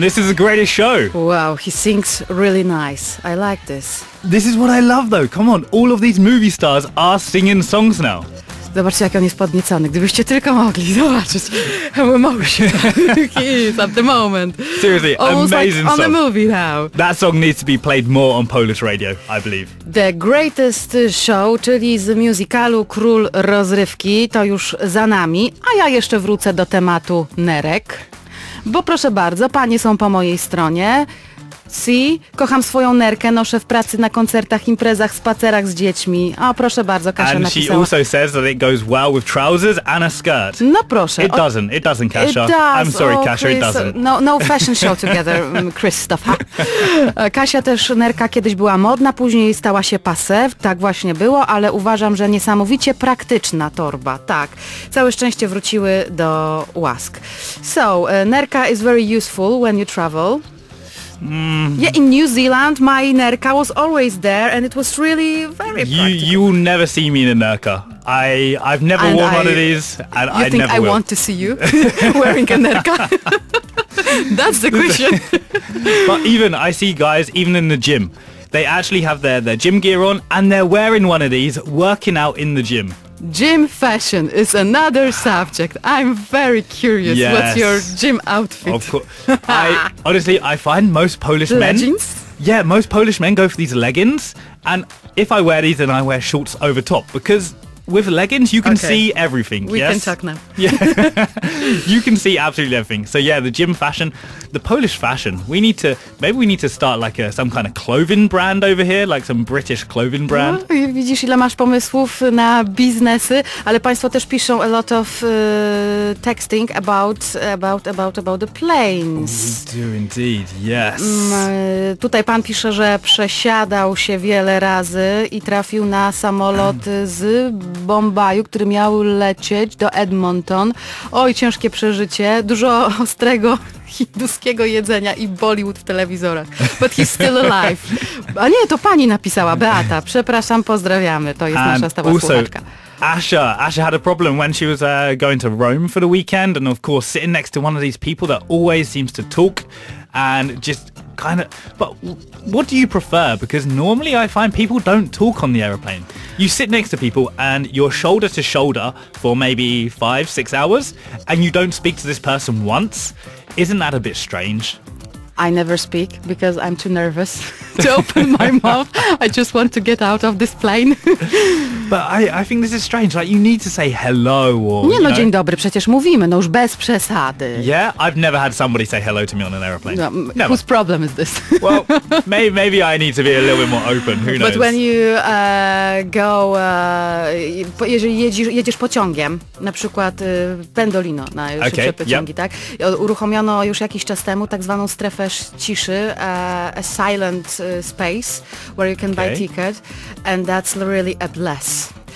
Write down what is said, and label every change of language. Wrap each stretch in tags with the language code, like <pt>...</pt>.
<en>This is the greatest show. Wow, he sings really nice. I like this. This is what I love though. Come on, all of these movie stars are singing songs now.</en> <pl>Zobaczcie, jak on jest podniecony. Gdybyście tylko mogli zobaczyć.</pl> <en>How emotional he is at the moment. Seriously, almost amazing like song. On a movie now. That song needs to be played more on Polish radio, I believe.</en> <pl>The greatest show, czyli z musicalu Król Rozrywki, to już za nami. A ja jeszcze wrócę do tematu nerek. Bo proszę bardzo, panie są po mojej stronie. Si, kocham swoją nerkę, noszę w pracy, na koncertach, imprezach, spacerach z dziećmi. O, proszę bardzo, Kasia</pl> <en>napisała. And she also says that it goes well with trousers and a skirt.</en> <pl>No proszę.</pl> <en>It doesn't, Kasia. It does. I'm sorry, oh, Kasia, Chris, it doesn't. No, no fashion show together, Christopher.</en> <pl>Kasia też, nerka kiedyś była modna, później stała się passe, tak właśnie było, ale uważam, że niesamowicie praktyczna torba, tak. Całe szczęście wróciły do łask.</pl> <en>So, nerka is very useful when you travel. Yeah, in New Zealand, my nerka was always there, and it was really very practical. You will never see me in a nerka. I've never and worn one of these, and I never will. You think I want to see you wearing a nerka? That's the question. But even, I see guys, even in the gym, they actually have their gym gear on, and they're wearing one of these, working out in the gym. Gym fashion is another subject. I'm very curious. Yes. What's your gym outfit? Of course. I find most Polish leggings? Men. Yeah, most Polish men go for these leggings. And if I wear these, then I wear shorts over top. Because with leggings, you can see everything. We yes? can talk now. Yeah. You can see absolutely everything. So yeah, the gym fashion, the Polish fashion. Maybe we need to start like some kind of clothing brand over here, like some British clothing brand.</en> <pl>No, widzisz, ile masz pomysłów na biznesy, ale państwo też piszą</pl> <en>a lot of texting about the planes. We do indeed, yes.</en> <pl>Tutaj pan pisze, że przesiadał się wiele razy i trafił na samolot z Bombaju, który miał lecieć do Edmonton. Oj, ciężkie przeżycie. Dużo ostrego hinduskiego jedzenia i Bollywood w telewizorach.</pl> <en>But he's still alive.</en> <pl>A nie, to pani napisała, Beata. Przepraszam, pozdrawiamy. To jest nasza stała słuchaczka.</pl> <en>Asha had a problem when she was going to Rome for the weekend and of course sitting next to one of these people that always seems to talk and just kind of... But what do you prefer? Because normally I find people don't talk on the aeroplane. You sit next to people and you're shoulder to shoulder for maybe 5-6 hours and you don't speak to this person once. Isn't that a bit strange? I never speak because I'm too nervous to open my mouth. I just want to get out of this plane. But I think this is strange. Like, you need to say hello or...</en> <pl>Nie, no</pl> <en>know.</en> <pl>Dzień dobry, przecież mówimy, no już bez przesady.</pl> <en>Yeah, I've never had somebody say hello to me on an aeroplane. No, whose problem is this? Well, maybe I need to be a little bit more open, who knows? But when you go...</en> <pl>jeżeli jedziesz pociągiem, na przykład Pendolino, na już</pl> <en>okay,</en> <pl>pociągi,</pl> <en>yep.</en> <pl>tak? Uruchomiono już jakiś czas temu tak zwaną strefę ciszy,</pl> <en>a silent space where you can buy ticket and that's really a bless.</en>